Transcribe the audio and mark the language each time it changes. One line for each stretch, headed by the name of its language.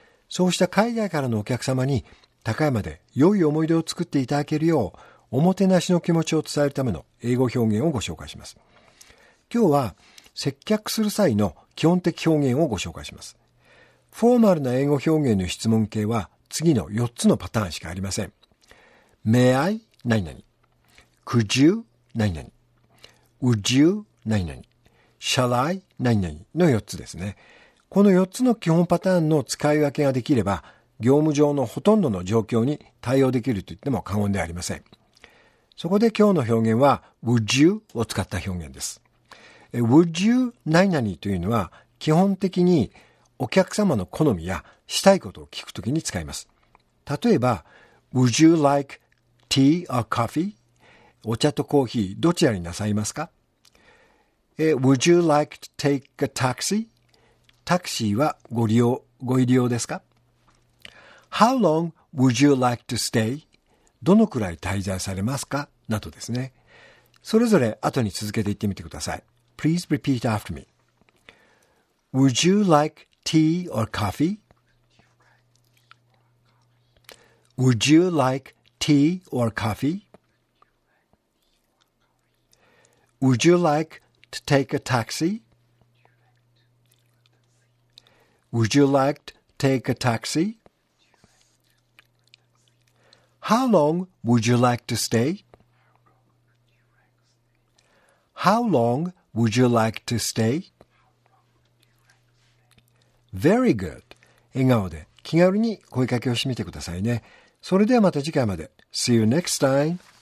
Japanese: そうした海外からのお客様に高山で良い思い出を作っていただけるようおもてなしの気持ちを伝えるための英語表現をご紹介します。今日は接客する際の基本的表現をご紹介します。フォーマルな英語表現の質問形は次の4つのパターンしかありません。
English: May I? 何々 Could you? 何々 Would you?
Japanese: 何々
English: Shall I?
Japanese: 何々の4つですね。この4つの基本パターンの使い分けができれば業務上のほとんどの状況に対応できると言っても過言ではありません。そこで今日の表現は
English: Would you?
Japanese: を使った表現です。
English: Would you?
Japanese: 何々というのは基本的にお客様の好みやしたいことを聞くときに使います。例えば
English: Would you like tea or coffee?
Japanese: お茶とコーヒーどちらになさいますか。
English: Would you like to take a taxi?
Japanese: タクシーはご利用ですか。
English: How long would you like to stay?
Japanese: どのくらい滞在されますかなどですね。それぞれ後に続けて言ってみてください。
English: Please repeat after me. Would you likeTea or coffee? Would you like tea or coffee? Would you like to take a taxi? Would you like to take a taxi? How long would you like to stay? How long would you like to stay? Very good.
Japanese: 笑顔で気軽に声かけをしてみてくださいね。それではまた次回まで。
English: See you next time.